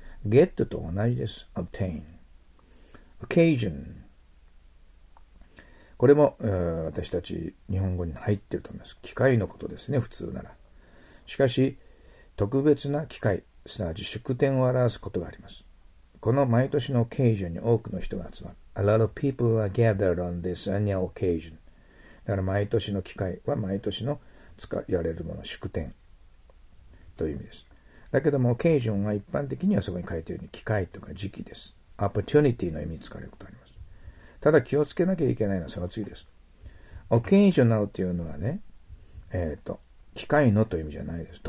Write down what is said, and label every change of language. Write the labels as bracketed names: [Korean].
[Japanese] get と同じです。obtain。 occasion。これも私たち日本語に入っていると思います。機械のことですね、普通なら。しかし、特別な機械、すなわち祝典を表すことがあります。この毎年のオケージョンに多くの人が集まる。 [English] A lot of people are gathered on this annual occasion. [Japanese] だから毎年の機会は毎年の使われるもの、祝典という意味です。だけどもオケージョンは一般的にはそこに書いているように機会とか時期です。 Opportunity の意味に使われることがあります。ただ気をつけなきゃいけないのはその次です。オケージョナルというのはね、機会のという意味じゃないです。